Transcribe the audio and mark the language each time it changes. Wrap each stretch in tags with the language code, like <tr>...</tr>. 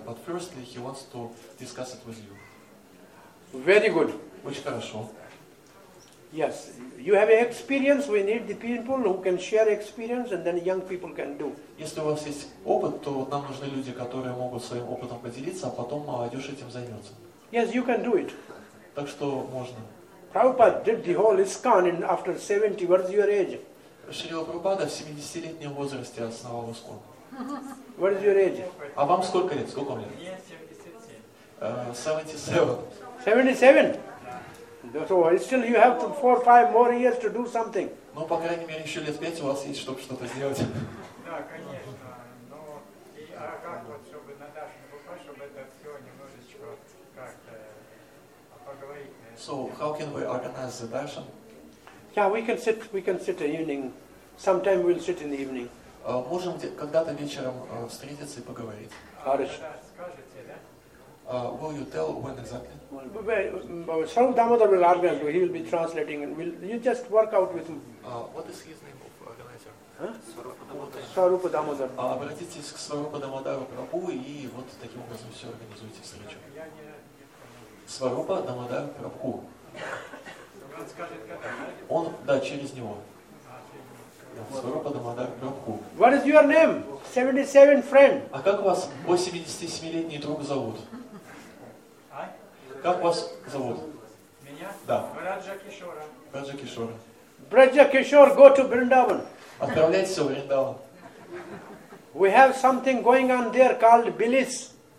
<en>But firstly, he wants to discuss it with you. Very good.</en> <ru>Очень хорошо.</ru> <en>Yes, you have experience, we need the people who can share experience, and then young people can do.</en> <ru>Если у вас есть опыт, то нам нужны люди, которые могут своим опытом поделиться, а потом молодежь этим займется.</ru> <en>Yes, you can do it.</en> <ru>Так что можно.</ru> <en>Prabhupada did the whole ISKCON after 70, what's your age?</en> <ru>Шрила Прабхупада в 70-летнем возрасте основал ISKCON.</ru> <en>What is your age?</en> <ru>А вам сколько лет? Сколько вам лет?</ru> <en>77. So still you have 4-5 more years to do something.</en> <ru>Ну, по крайней мере, еще лет 5 у вас есть, чтобы что-то сделать. Да, конечно. Но и а как вот, чтобы на Дашу попасть, чтобы это все немножечко как-то поговорить.</ru> <en>So how can we organize the Darshan? Yeah, we can sit in the evening. Sometime we'll sit in the evening.</en> <ru>Можем когда-то вечером встретиться и поговорить. Хорошо.</ru> <en>Will you tell when exactly? Well, Sarup Damodar will organize, he will be translating, and will you just work out with him. What is his name of organizer? Huh? Sarup Damodar.</en> <ru>Обратитесь к Сварупа Дамодару Прабу и вот таким образом все организуйте встречу. Сварупа Дамодару Прабу. Он, да, через него. Сварупа Дамодару Прабу.</ru> <en>What is your name, 77 friend?</en> <ru>А как вас 87-летний друг зовут? Как вас зовут? Меня? Да. Браджа Кишора. Браджа Кишора.</ru> <en>Браджа Кишор, go to Vrindavan.</en> <ru>Отправляйтесь в Вриндаван.</ru> <en>We have something going on there called Bilis.</en>